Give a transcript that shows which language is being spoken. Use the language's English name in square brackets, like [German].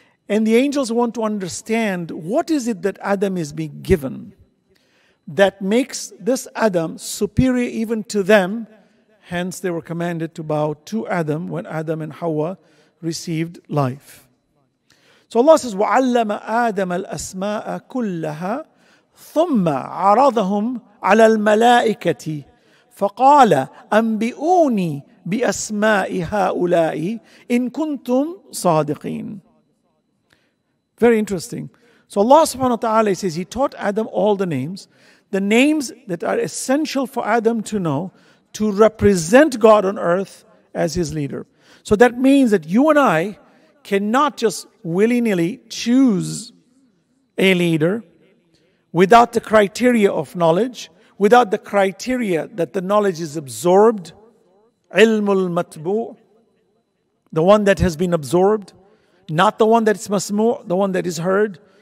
[English] And the angels want to understand, what is it that Adam is being given that makes this Adam superior even to them? Hence, they were commanded to bow to Adam when Adam and Hawa received life. So Allah says, [Arabic] وَعَلَّمَ آدَمَ الْأَسْمَاءَ كُلَّهَا ثُمَّ عَرَضَهُمْ عَلَى الْمَلَائِكَةِ فَقَالَ أَنْبِئُونِي بِأَسْمَاءِ هَؤُلَاءِ إِن كُنْتُمْ صَادِقِينَ. [English] Very interesting. So Allah subhanahu wa ta'ala says He taught Adam all the names, the names that are essential for Adam to know to represent God on earth as his leader. So that means that you and I cannot just willy-nilly choose a leader without the criteria of knowledge, without the criteria that the knowledge is absorbed, ilmul matbu, the one that has been absorbed, not the one that's masmu, the one that is heard.